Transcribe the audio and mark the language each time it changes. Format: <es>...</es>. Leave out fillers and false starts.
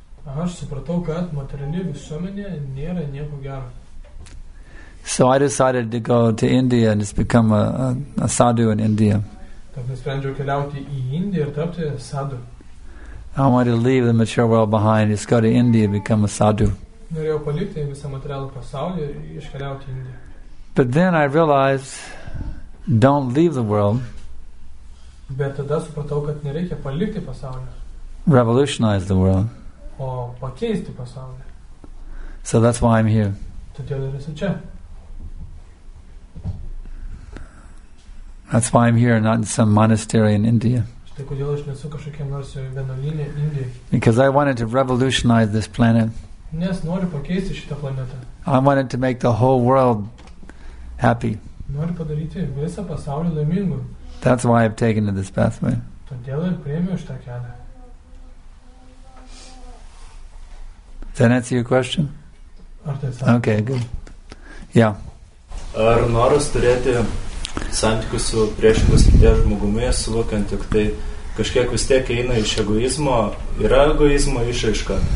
<lt>Aš supratau, kad materialių visuomenė nėra nieko gero.</lt> <en>So I decided to go to India and just become a sadhu in India.</en> <lt>Tad nusprendžiau keliauti į Indiją ir tapti sadhu.</lt> <en>I wanted to leave the material world behind, just go to India and become a sadhu.</en> <lt>Norėjau palikti visą materialų pasaulį ir iškeliauti į Indiją.</lt> <en>But then I realized, don't leave the world.</en> <lt>Bet tada supratau, kad nereikia palikti pasaulį.</lt> <en>Revolutionize the world.</en> <lt>O pakeisti pasaulį.</lt> <en>So that's why I'm here.</en> <lt>Todėl ir esu čia.</lt> <en>That's why I'm here, not in some monastery in India.</en> <lt>Štai kodėl aš nesu kažkokiam nors vienuolyne Indijoje.</lt> <en>Because I wanted to revolutionize this planet.</en> <lt>Nes noriu pakeisti šitą planetą.</lt> <en>I wanted to make the whole world happy.</en> <lt>Noriu padaryti visą pasaulį laimingu.</lt> <en>That's why I've taken to this pathway.</en> <lt>Todėl ir priėmiau šitą kelią.</lt> <en>Does that answer your question? Okay, good. Yeah.</en> <lt>Ar noras turėti santykius su priešingos lyties žmogumi, suvokiant, jog tai kažkiek vis tiek eina iš egoizmo, yra egoizmo išaiška.</lt>